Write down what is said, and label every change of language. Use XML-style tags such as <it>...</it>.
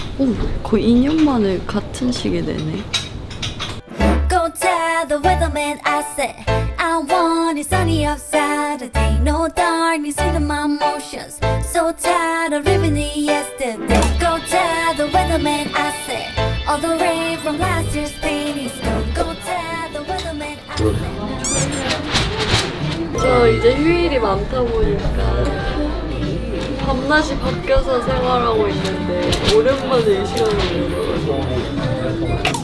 <ko>오, 거의 2년만에 같은 시기 되네.</ko> <en>Go tell the weatherman I said I want it sunny of Saturday. No darkness in my motions. So tired of living in yesterday. Go tell the weatherman I said all the rain from last year's pain is gone. Go tell the weatherman I said.</en> <ko>저 이제 휴일이 많다 보니까 밤낮이 바뀌어서 생활하고 있는데 오랜만에 이 시간을 보는 것 같아요.</ko>